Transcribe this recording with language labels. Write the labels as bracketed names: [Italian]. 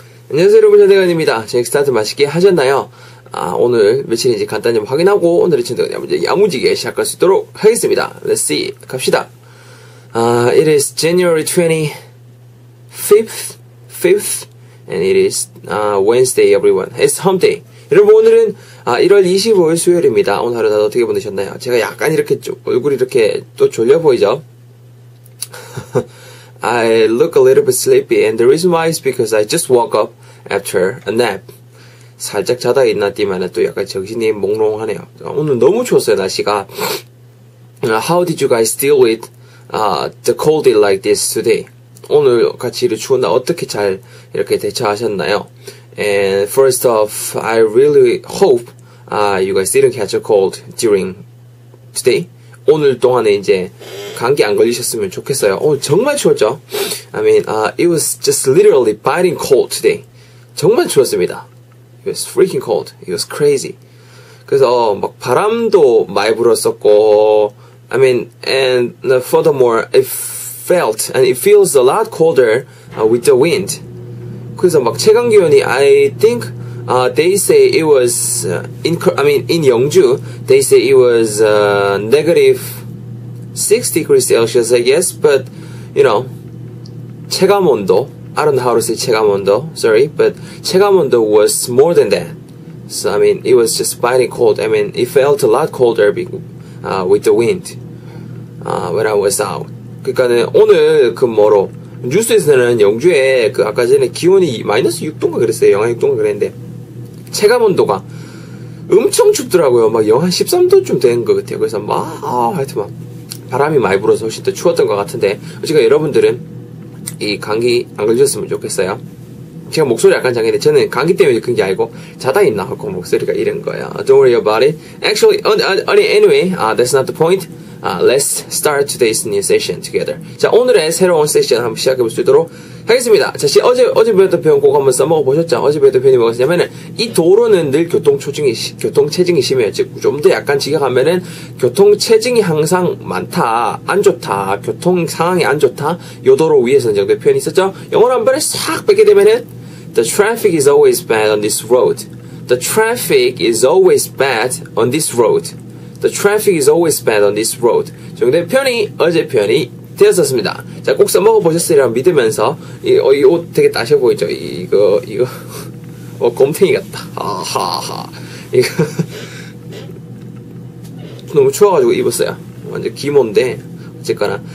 [Korean] 안녕하세요 여러분, 현대관입니다. 저녁 스타트 맛있게 하셨나요? 아, 오늘 며칠인지 간단히 확인하고 오늘의 진도는 이제 야무지게 시작할 수 있도록 하겠습니다. [English] Let's see, [Korean] 갑시다. [English] It is January 25th, and it is Wednesday, everyone. It's hump day. [Korean] 여러분, 오늘은 1월 25일 수요일입니다. 오늘 하루 다들 어떻게 보내셨나요? 제가 약간 이렇게 얼굴이 이렇게 또 졸려 보이죠? [English] I look a little bit sleepy, and the reason why is because I just woke up after a nap. [Korean] 살짝 자다 일어났지만 또 약간 정신이 몽롱하네요. 오늘 너무 추웠어요, 날씨가. [English] How did you guys deal with the cold like this today? [Korean] 오늘 같이 이렇게 추운 날 어떻게 잘 이렇게 대처하셨나요? [English] And first off, I really hope you guys didn't catch a cold during today. [Korean] 오늘 동안에 이제 감기 안 걸리셨으면 좋겠어요. 오, 정말 추웠죠? [English] I mean, it was just literally biting cold today. [Korean] 정말 추웠습니다. [English] It was freaking cold. It was crazy. [Korean] 그래서 막 바람도 많이 불었었고, [English] I mean, and furthermore, it felt and it feels a lot colder with the wind. [Korean] 그래서 막 체감 기온이 [English] I think they say it was in Yeongju, they say it was negative 6 degrees Celsius, I guess, but you know, 체감 온도, I don't know how to say 체감 온도, sorry, but 체감 온도 was more than that. So I mean, it was just biting cold. I mean, it felt a lot colder with the wind when I was out. [Korean] 그러니까는 오늘 그 뭐로 뉴스에서는 영주에 그 아까 전에 기온이 마이너스 6도인가 그랬어요. 영하 6도인가 그랬는데 체감 온도가 엄청 춥더라고요. 막 영하 13도쯤 된 것 같아요. 그래서 막 하여튼 막 바람이 많이 불어서 훨씬 더 추웠던 것 같은데, 어쨌든 여러분들은 이 감기 안 걸리셨으면 좋겠어요. 제가 목소리 약간 작은데 저는 감기 때문에 그런 게 아니고 자다 있나 하고 목소리가 이런 거예요. [English] Don't worry about it. Actually, that's not the point. Let's start today's new session together. [Korean] 자, 오늘의 새로운 세션 한번 시작해 볼 수 있도록 하겠습니다. 자, 어제 배웠던 표현 꼭 한번 써먹어 보셨죠? 어제 배웠던 표현이 뭐였냐면은, 이 도로는 늘 교통체증이 심해요. 즉, 좀 더 약간 직역하면은, 교통체증이 항상 많다, 안 좋다, 교통 상황이 안 좋다, 요 도로 위에서는 정도의 표현이 있었죠? 영어로 한 번에 싹 뺏게 되면은, [English] The traffic is always bad on this road. The traffic is always bad on this road. The traffic is always bad on this road. [Korean] 정답 표현이 어제 표현이 되었었습니다. 자, 꼭 써먹어보셨으리라 믿으면서 이 옷 되게 따셔 보이죠? 이거 어, 곰탱이 같다. 아하하. 이거 너무 추워가지고 입었어요. 완전 기모인데 어쨌거나.